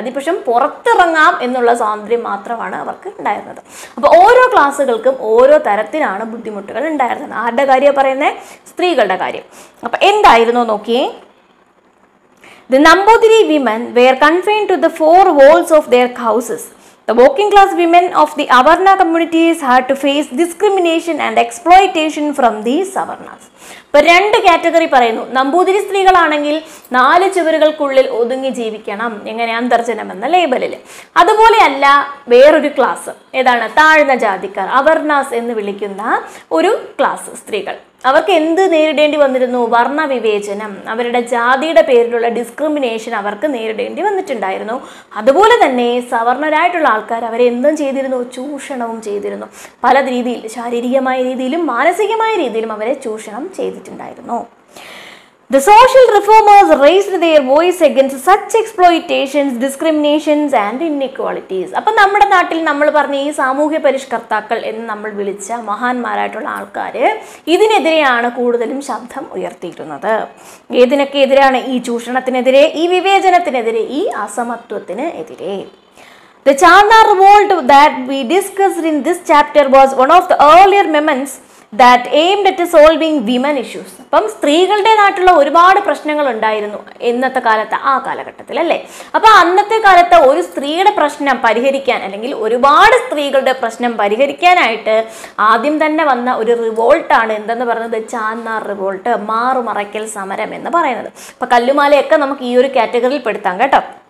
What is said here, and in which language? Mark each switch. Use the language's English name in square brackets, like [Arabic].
[Malayalam] അതിപക്ഷം പുറത്തിറങ്ങാം എന്നുള്ള സ്വാതന്ത്ര്യം മാത്രമാണ് അവർക്ക് ഉണ്ടായിരുന്നത്. അപ്പോൾ ഓരോ ക്ലാസ്സുകൾക്കും ഓരോ തരത്തിലാണ് ബുദ്ധിമുട്ടുകൾ ഉണ്ടായിരുന്നത്. ആരുടെ കാര്യമാണ് പറയുന്നത്? സ്ത്രീകളുടെ കാര്യം. അപ്പോൾ എന്തായിരുന്നു നോക്കിയേ, [English] The Namboothiri women were confined to the four walls of their houses. The working class women of the Avarna communities had to face discrimination and exploitation from these Avarnas. [Malayalam] ഇപ്പോൾ രണ്ട് കാറ്റഗറി പറയുന്നു. നമ്പൂതിരി സ്ത്രീകളാണെങ്കിൽ നാല് ചുവരുകൾക്കുള്ളിൽ ഒതുങ്ങി ജീവിക്കണം, എങ്ങനെ അന്തർജനം എന്ന ലേബലിൽ. അതുപോലെയല്ല വേറൊരു ക്ലാസ്, ഏതാണ്? താഴ്ന്ന ജാതിക്കാർ, അവർണാസ് എന്ന് വിളിക്കുന്ന ഒരു ക്ലാസ് സ്ത്രീകൾ. അവർക്ക് എന്ത് നേരിടേണ്ടി വന്നിരുന്നു? വർണ്ണ വിവേചനം, അവരുടെ ജാതിയുടെ പേരിലുള്ള ഡിസ്ക്രിമിനേഷൻ അവർക്ക് നേരിടേണ്ടി വന്നിട്ടുണ്ടായിരുന്നു. അതുപോലെ തന്നെ സവർണരായിട്ടുള്ള ആൾക്കാർ അവരെ എന്തും ചെയ്തിരുന്നു? ചൂഷണവും ചെയ്തിരുന്നു. പല രീതിയിൽ, ശാരീരികമായ രീതിയിലും മാനസികമായ രീതിയിലും അവരെ ചൂഷണം ചെയ്തിട്ടുണ്ടായിരുന്നു. [English] The social reformers raised their voice against such exploitations, discriminations and inequalities. [Malayalam] അപ്പോൾ നമ്മുടെ നാട്ടിൽ നമ്മൾ പറഞ്ഞ ഈ സാമൂഹ്യ പരിഷ്കർത്താക്കൾ എന്ന് നമ്മൾ വിളിച്ച മഹാന്മാരായിട്ടുള്ള ആൾക്കാർ ഇതിനെതിരെയാണ് കൂടുതലും ശബ്ദം ഉയർത്തിയിരുന്നത്. ഏതിനൊക്കെ എതിരാണ്? ഈ ചൂഷണത്തിനെതിരെ, ഈ വിവേചനത്തിനെതിരെ, ഈ അസമത്വത്തിന് എതിരെ. [English] The Chandna revolt that we discussed in this chapter was one of the earlier moments that aimed at solving women issues. [Malayalam] അപ്പം സ്ത്രീകളുടേതായിട്ടുള്ള ഒരുപാട് പ്രശ്നങ്ങൾ ഉണ്ടായിരുന്നു ഇന്നത്തെ കാലത്ത്, ആ കാലഘട്ടത്തിൽ, അല്ലേ? അപ്പോൾ അന്നത്തെ കാലത്ത് ഒരു സ്ത്രീയുടെ പ്രശ്നം പരിഹരിക്കാൻ, അല്ലെങ്കിൽ ഒരുപാട് സ്ത്രീകളുടെ പ്രശ്നം പരിഹരിക്കാനായിട്ട് ആദ്യം തന്നെ വന്ന ഒരു റിവോൾട്ടാണ് എന്തെന്ന് പറയുന്നത്? ചാന്നാർ റിവോൾട്ട്, മാറുമറയ്ക്കൽ സമരം എന്ന് പറയുന്നത്. അപ്പോൾ കല്ലുമാലയൊക്കെ നമുക്ക് ഈ ഒരു കാറ്റഗറിയിൽ പെടുത്താം കേട്ടോ.